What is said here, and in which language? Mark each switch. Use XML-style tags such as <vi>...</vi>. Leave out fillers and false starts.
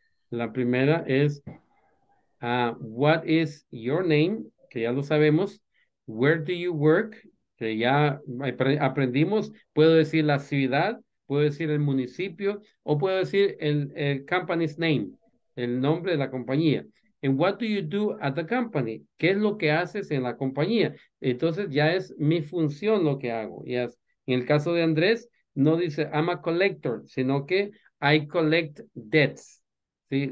<es>La primera es,</es> <en>what is your name?</en> <es>Que ya lo sabemos.</es> <en>Where do you work?</en> <es>Que ya aprendimos. Puedo decir la ciudad, puedo decir el municipio, o puedo decir el</es> <en>company's name,</en> <es>el nombre de la compañía.</es> <en>And what do you do at the company?</en> <es>¿Qué es lo que haces en la compañía? Entonces ya es mi función lo que hago. Yes. En el caso de Andrés, no dice</es> <en>I'm a collector,</en> <es>sino que</es> <en>I collect debts.</en> <es>¿Sí?</es>